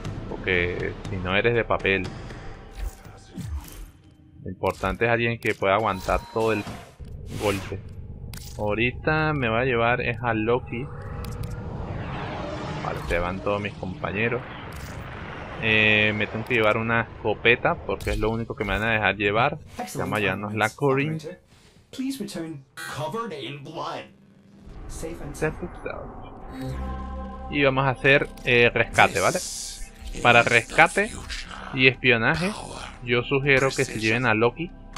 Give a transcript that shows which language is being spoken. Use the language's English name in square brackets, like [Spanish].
[Spanish] Porque si no eres de papel, lo importante es alguien que pueda aguantar todo el golpe. Ahorita me va a llevar es a Loki. Vale, se van todos mis compañeros. Me tengo que llevar una escopeta porque es lo único que me van a dejar llevar. Vamos a llevarnos la Corinne. [English] Please return covered in blood. Safe and sound. [Spanish] Y vamos a hacer rescate, ¿vale? Para rescate y espionaje, yo sugiero que se lleven a Loki.